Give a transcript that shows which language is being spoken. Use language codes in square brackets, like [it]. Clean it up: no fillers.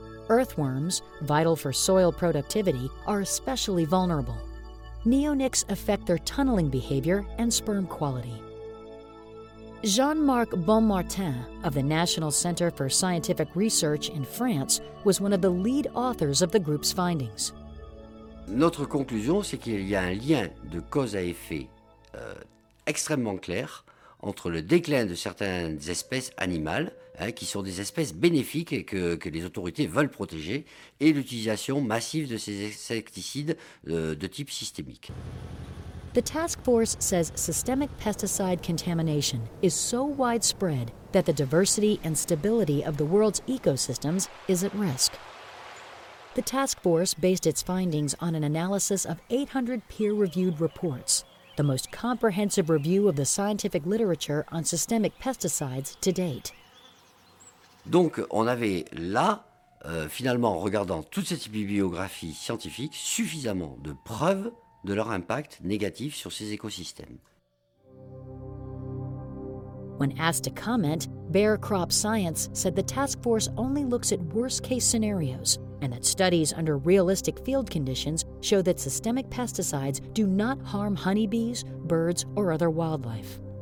[en] Earthworms, vital for soil productivity, are especially vulnerable. Neonics affect their tunneling behavior and sperm quality. Jean-Marc Bonmartin of the National Center for Scientific Research in France was one of the lead authors of the group's findings. [fr] Notre conclusion, c'est qu'il y a un lien de cause à effet extrêmement clair entre le déclin de certaines espèces animales, hein, qui sont des espèces bénéfiques et que les autorités veulent protéger, et l'utilisation massive de ces insecticides de type systémique. [en] The task force says systemic pesticide contamination is so widespread that the diversity and stability of the world's ecosystems is at risk. The task force based its findings on an analysis of 800 peer-reviewed reports, the most comprehensive review of the scientific literature on systemic pesticides to date. [fr] Donc, on avait là, finalement, en regardant toute cette bibliographie scientifique, suffisamment de preuves de leur impact négatif sur ces écosystèmes. [en] When asked to comment, Bayer Crop Science said the task force only looks at worst-case scenarios and that studies under realistic field conditions show that systemic pesticides do not harm honeybees, birds, or other wildlife.